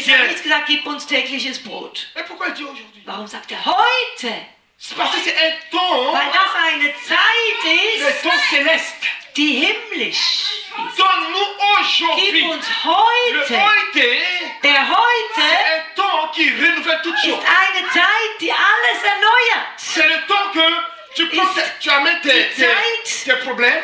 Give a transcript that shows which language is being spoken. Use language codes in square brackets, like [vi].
[de] Jesus hat nicht gesagt, gib uns tägliches Brot. [fr] Et pourquoi il dit aujourd'hui? [de] Warum sagt er heute? [fr] Parce que c'est un temps, [de] weil das eine Zeit ist, [fr] le temps céleste. [de] Die himmlisch ist. [fr] Donne-nous aujourd'hui. [de] Gib uns heute. [fr] Le heute, [de] der heute, [fr] c'est un temps qui renouvelle toute chose. [de] Ist eine Zeit, die alles erneuert. [fr] C'est le temps que tu prends, tu amènes tes problèmes.